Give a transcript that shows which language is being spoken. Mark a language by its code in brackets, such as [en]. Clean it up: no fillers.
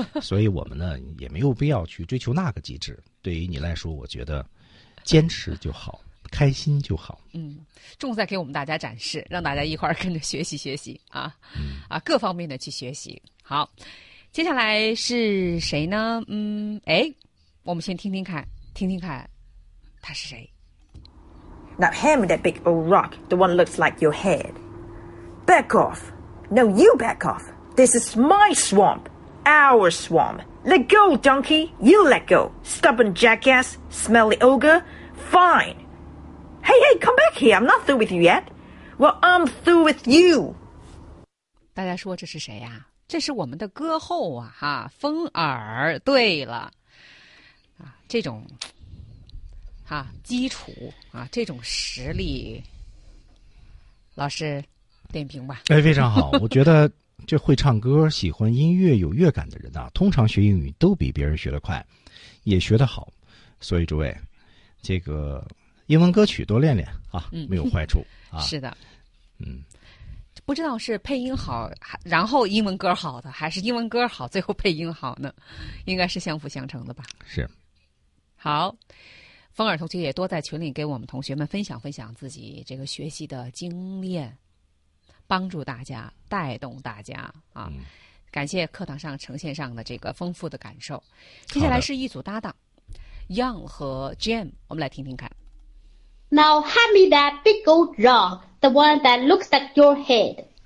[zh] 所以我们呢也没有必要去追求那个机制。对于你来说，我觉得坚持就好，开心就好。嗯，重在给我们大家展示，让大家一块儿跟着学习学习啊、嗯、啊，各方面的去学习。好，接下来是谁呢？嗯，哎，我们先听听看他是谁。 [en] Now hand me that big old rock, the one looks like your head. Back off. No, you back off. This is my swamp. Our swamp. Let go, donkey. You let go. Stubborn jackass. Smelly ogre. Fine. Hey, hey, come back here. I'm not through with you yet. Well, I'm through with you. [zh] 大家说这是谁呀、啊、这是我们的歌后啊哈，风儿。对了。啊，这种啊基础啊，这种实力。老师。点评吧。哎，非常好。我觉得这会唱歌喜欢音乐有乐感的人啊，通常学英语都比别人学得快，也学得好。所以诸位，这个英文歌曲多练练啊、嗯、没有坏处啊。是的。嗯，不知道是配音好然后英文歌好的，还是英文歌好最后配音好呢？应该是相辅相成的吧。是。好，风儿同学也多在群里给我们同学们分享分享自己这个学习的经验，帮助大家，带动大家啊、嗯！感谢课堂上呈现上的这个丰富的感受。接下来是一组搭档 ，Young 和 Jim， 我们来听听看。 [en] Now hand me that big old rock, the one that looks like your head.